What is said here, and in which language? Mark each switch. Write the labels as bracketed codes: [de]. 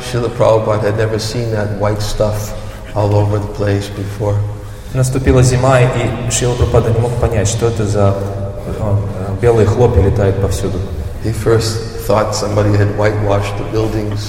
[en] Srila Prabhupada had never seen that white stuff all over the place before. [ru] Наступила зима, и Шрила Прабхупада не мог понять, что это за белые хлопья летают повсюду. [en] He first thought somebody had whitewashed the buildings.